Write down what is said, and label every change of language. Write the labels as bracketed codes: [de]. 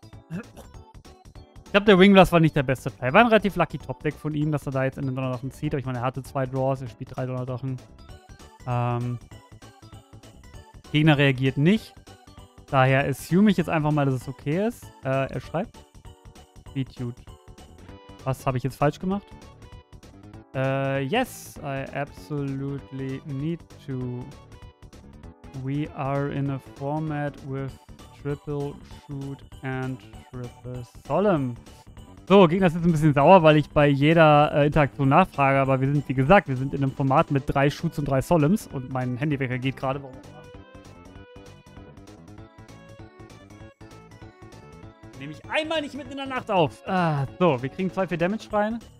[de] Ich glaube, der Wingblast war nicht der beste Play. War ein relativ lucky Top-Deck von ihm, dass er da jetzt in den Donnerdrachen zieht. Aber ich meine, er hatte zwei Draws, er spielt drei Donnerdrachen. Gegner reagiert nicht. Daher assume ich jetzt einfach mal, dass es okay ist. Er schreibt. Beatute. Was habe ich jetzt falsch gemacht? [en] Yes, I absolutely need to. We are in a format with triple shoot and triple solemn. [de] So, Gegner ist jetzt ein bisschen sauer, weil ich bei jeder Interaktion nachfrage, aber wir sind, wie gesagt, wir sind in einem Format mit drei Shoots und drei Solemns und mein Handywecker geht gerade. Warum? Nehme ich einmal nicht mitten in der Nacht auf. So, wir kriegen 2-4 Damage rein.